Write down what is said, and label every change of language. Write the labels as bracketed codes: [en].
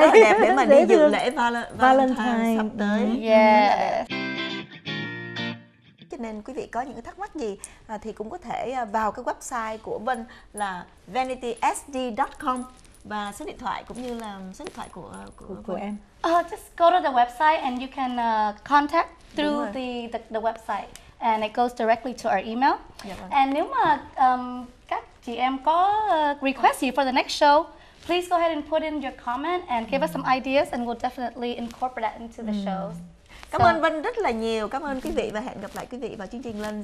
[vi] Rất đẹp để mà đi dự lễ Valentine sắp tới. Yeah. Cho nên quý vị có những thắc mắc gì thì cũng có thể vào cái website của Vân là vanitysd.com. Và số điện thoại cũng như là số điện thoại của em. [en] Just go to the website and you can contact through the website and it goes directly to our email. [vi] Dạ, [en] and [vi] nếu mà các chị em có request gì [en] for the next show, please go ahead and put in your comment and give us some ideas and we'll definitely incorporate that into the show. [vi] Cảm ơn Vân rất là nhiều. Cảm ơn quý vị và hẹn gặp lại quý vị vào chương trình lần